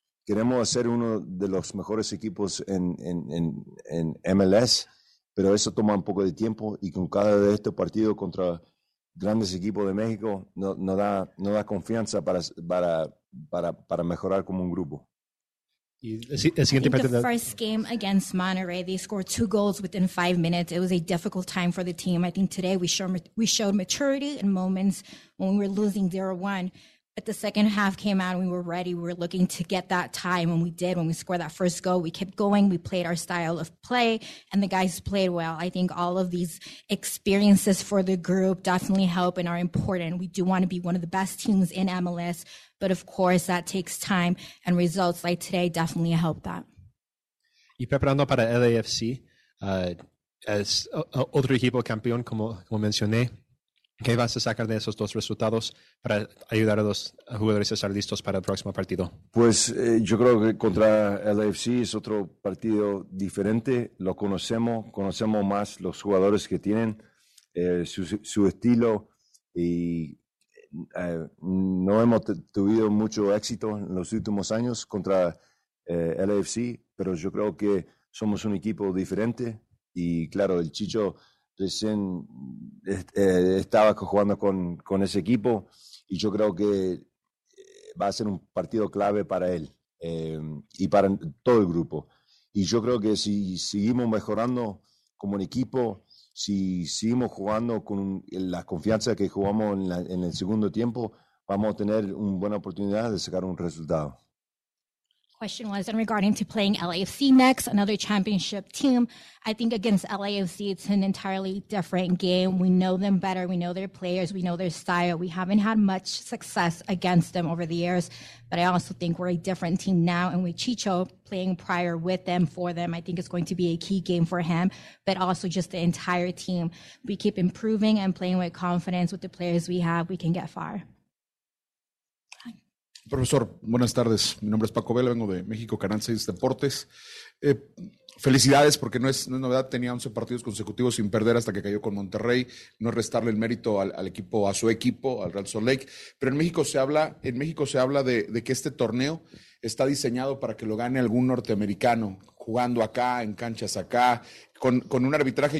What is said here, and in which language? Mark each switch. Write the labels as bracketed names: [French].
[Spanish] Queremos ser uno de los mejores equipos en MLS, pero eso toma un poco de tiempo, y con cada de estos partidos contra grandes equipos de México no da confianza para mejorar como un grupo. [English] The first game against Monterrey, they scored 2 goals within 5 minutes. It was a difficult time for the team. I think today we showed maturity in moments when we were losing 0-1. But the second half came out and we were ready. We were looking to get that tie, and we did. When we scored that first goal, we kept going. We played our style of play, and the guys played well. I think all of these experiences for the group definitely help and are important. We do want to be one of the best teams in MLS, but of course that takes time, and results like today definitely help that. [Spanish] Y preparando para LAFC, as otro equipo campeón, como mencioné, ¿qué vas a sacar de esos dos resultados para ayudar a los jugadores a estar listos para el próximo partido? Pues yo creo que contra LAFC es otro partido diferente. Lo conocemos más los jugadores que tienen, su estilo, y no hemos tenido mucho éxito en los últimos años contra LAFC, pero yo creo que somos un equipo diferente. Y claro, el Chicho recién estaba jugando con ese equipo, y yo creo que va a ser un partido clave para él y para todo el grupo. Y yo creo que si seguimos mejorando como un equipo, si seguimos jugando con la confianza que jugamos en el segundo tiempo, vamos a tener una buena oportunidad de sacar un resultado. [English] Question was in regarding to playing LAFC next, another championship team. I think against LAFC, it's an entirely different game. We know them better. We know their players. We know their style. We haven't had much success against them over the years, but I also think we're a different team now. And with Chicho playing prior with them, for them, I think it's going to be a key game for him, but also just the entire team. We keep improving and playing with confidence with the players we have. We can get far. [Spanish] Profesor, buenas tardes. Mi nombre es Paco Vela, vengo de México, Canal 6 Deportes. Felicidades, porque no es novedad, tenía 11 partidos consecutivos sin perder hasta que cayó con Monterrey. No es restarle el mérito a su equipo, al Real Salt Lake. Pero en México se habla de que este torneo está diseñado para que lo gane algún norteamericano, jugando acá, en canchas acá, con un arbitraje.